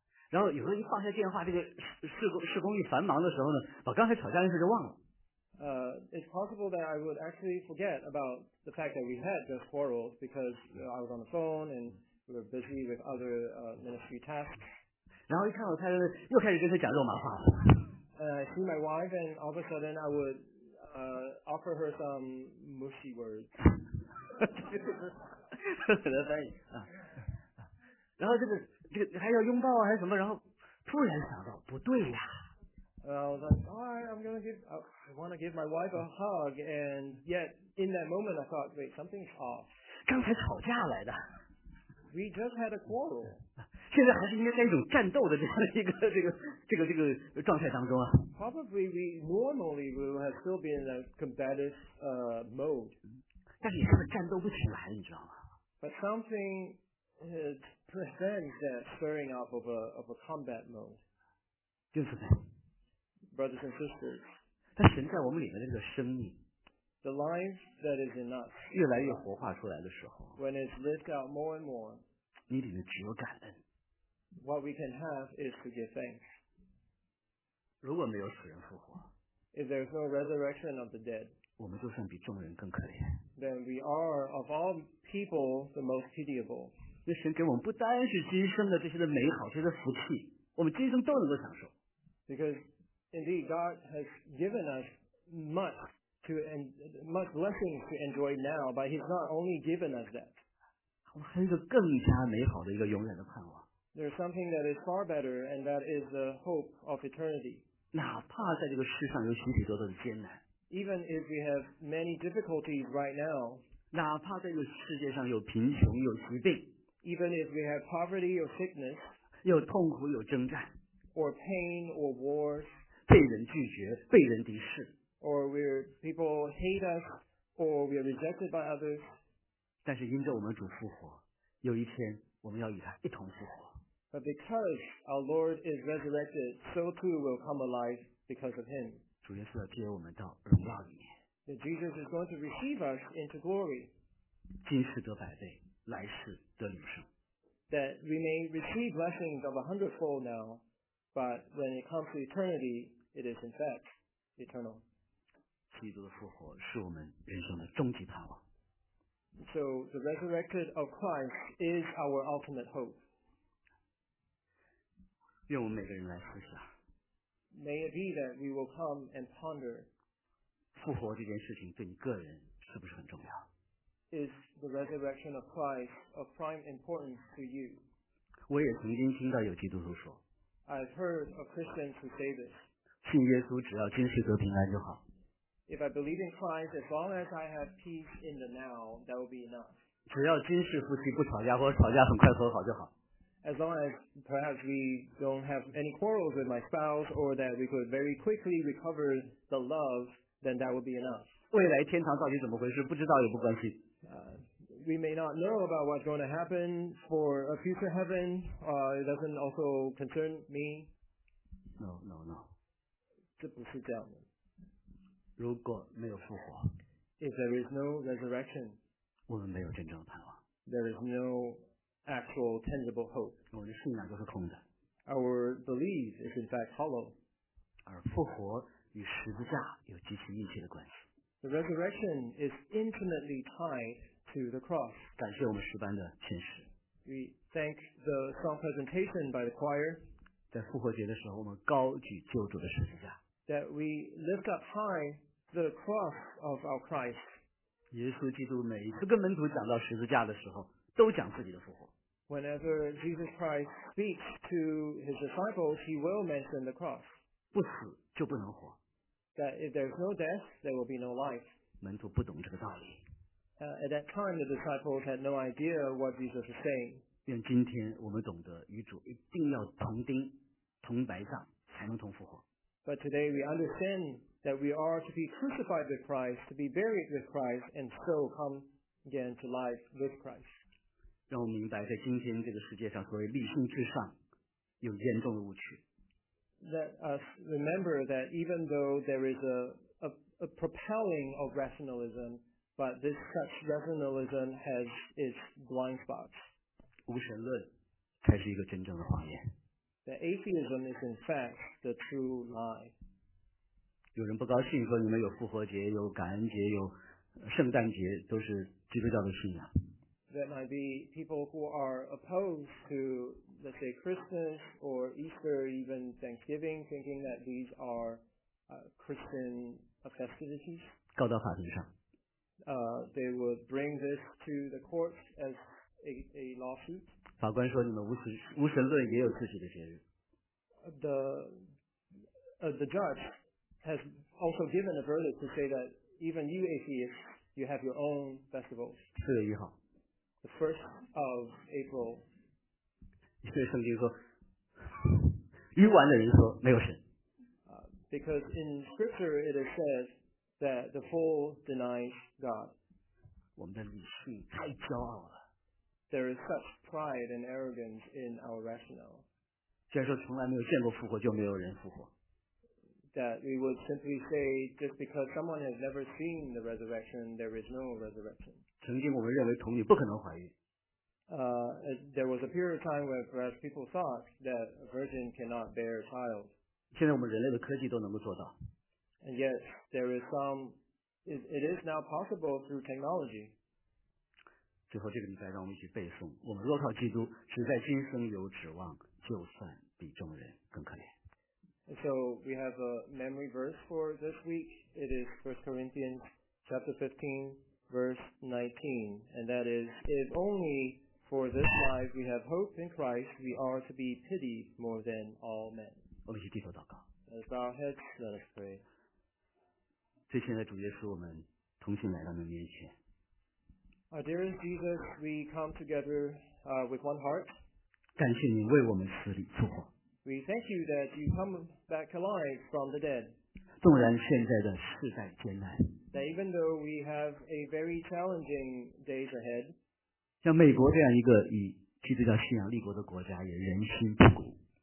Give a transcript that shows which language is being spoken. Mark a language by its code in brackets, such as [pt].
[zh] 然后有时候一放下电话，这个事工一繁忙的时候呢，把刚才吵架的事就忘了。 [en] It's possible that I would actually forget about the fact that we had just quarreled because I was on the phone and we were busy with other ministry tasks. [zh] 然后一看我太太又开始跟她讲肉麻话。 [en] I see my wife and all of a sudden I would offer her some mushy words. 哈哈哈哈哈。 [zh] 然后这个还要拥抱啊还是什么？然后突然想到不对呀。 [en] I was like, all right, I want to give my wife a hug, and yet in that moment, I thought, wait, something's off. [zh] 刚才吵架来的。 [en] We just had a quarrel. [zh] 现在还是应该在一种战斗的这样的一个这个状态当中啊。 [en] Probably we normally we would have still been in a combative mode. [zh] 但是你根本战斗不起来，你知道吗 [en] ？But something prevents that stirring up of a combat mode. [zh] 就是的。 [en] Brothers and sisters, [zh] 他神在我们里面的这个生命 [en] ，the life that is in us， [zh] 越来越活化出来的时候 [en] ，when it's lived out more and more， [zh] 你里面只有感恩 [en] ，what we can have is to give thanks。 [zh] 如果没有死人复活 [en] ，if there's no resurrection of the dead， [zh] 我们就算比众人更可怜 [en] ，then we are of all people the most pitiable。 [zh] 那神给我们不单是今生的这些的美好，这些的福气，我们今生都能够享受 [en] ，because。 Indeed, God has given us much to much blessings to enjoy now, but He's not only given us that. [zh] 我们还有一个更加美好的一个永远的盼望。 [en] There's something that is far better, and that is the hope of eternity. [zh] 哪怕在这个世上有许许多多的艰难 [en] ，Even if we have many difficulties right now. [zh] 哪怕在这个世界上有贫穷有疾病 [en] ，Even if we have poverty or sickness. [zh] 有痛苦有征战 [en] ，Or pain or wars. [zh] 被人拒绝，被人敌视 [en] ，or we're people hate us, or we're rejected by others. [zh] 但是因着我们主复活，有一天我们要与他一同复活。 [en] But because our Lord is resurrected, so too will come alive because of Him. [zh] 主耶稣要接我们到荣耀里面。 [en] That Jesus is going to receive us into glory. [zh] 今世得百倍，来世得永生。 [en] That we may receive blessings of 100-fold now. But when it comes to eternity, it is in fact eternal. [zh] 基督的复活是我们人生的终极盼望。 [en] So the resurrection of Christ is our ultimate hope. [zh] 愿我们每个人来思想。 [en] May it be that we will come and ponder. [zh] 复活这件事情对你个人是不是很重要 [en] ？Is the resurrection of Christ of prime importance to you? [zh] 我也曾经听到有基督徒说。 [en] I've heard of Christians who say this. [zh] 信耶稣只要今世得平安就好。 [en] If I believe in Christ, as long as I have peace in the now, that will be enough. [zh] 只要军事夫妻不吵架，或者吵架很快和好就好。 [en] As long as perhaps we don't have any quarrels with my spouse, or that we could very quickly recover the love, then that would be enough. [zh] 未来天堂到底怎么回事？不知道也不关心。 [en] We may not know about what's going to happen for a future heaven. It doesn't also concern me. No, no, no. [zh] 这不是这样的。如果没有复活 [en] ，If there is no resurrection, [zh] 我们没有真正的盼望。 [en] There is no actual tangible hope. [zh] 我们的信仰就是空的。 [en] Our belief is in fact hollow. [zh] 而复活与十字架有极其密切的关系。 [en] The resurrection is intimately tied to the cross. [zh] 感谢我们诗班的信使。 [en] We thank the song presentation by the choir. [zh] 在复活节的时候，我们高举救主的十字架。 [en] That we lift up high the cross of our Christ. [zh] 耶稣基督每一次跟门徒讲到十字架的时候，都讲自己的复活。 [en] Whenever Jesus Christ speaks to his disciples, he will mention the cross. [zh] 不死就不能活。 [en] That if there's no death, there will be no life. [zh] 门徒不懂这个道理。 [en] At that time, the disciples had no idea what Jesus was saying. [zh] 愿今天我们懂得与主一定要同钉、同埋葬，才能同复活。 [en] But today we understand that we are to be crucified with Christ, to be buried with Christ, and so come again to life with Christ. [zh] 让我们明白，在今天这个世界上，所谓立身至上，有严重的误区。 [en] Let us remember that even though there is a propelling of rationalism, but this such rationalism has its blind spots. [zh] 无神论才是一个真正的谎言。 [en] That atheism is in fact the true lie. [zh] 有人不高兴说你们有复活节、有感恩节、有圣诞节，都是基督教的信仰。 [en] There might be people who are opposed to, let's say, Christmas or Easter, even Thanksgiving, thinking that these are Christian festivities. [zh] 告到法庭上。 [en] They would bring this to the courts as a lawsuit. [zh] 法官说：“你们无神论也有自己的节日。 [en] ”The judge has also given a verdict to say that even you atheists, you have your own festivals. [zh] 四月一号 [en] ，the first of April. [zh] 所以圣经说，愚顽的人说没有神。 [en] Because in Scripture it is said that the fool denies God. [zh] 我们的理性太骄傲了。 [en] There is such pride and arrogance in our rationale. [zh] 既然说从来没有见过复活，就没有人复活。 [en] That we would simply say just because someone has never seen the resurrection, there is no resurrection. [zh] 曾经我们认为童女不可能怀孕。 [en] There was a period of time where perhaps people thought that a virgin cannot bear a child. [zh] 现在我们人类的科技都能够做到。 [en] And yet there is some, it is now possible through technology. [zh] 最后这个礼拜让我们一起背诵，我们若靠基督，实在今生有指望，就算比众人更可怜。 [en] So we have a memory verse for this week. It is 1 Corinthians chapter 15, verse 19. And that is, if only for this life we have hope in Christ, we are to be pitied more than all men. [zh] 我们一起低头祷告。 [en] Let's bow our heads, let us pray. [zh] 最亲爱的主耶稣，我们同心来到你面前。 [en] Our dearest Jesus, we come together with one heart. [zh] 感谢你为我们死里复活。 [en] We thank you that you come back alive from the dead. [zh] 纵然现在的世代艰难。 [en] That even though we have a very challenging days ahead. [zh] 像美国这样一个以基督教信仰立国的国家也人心不古。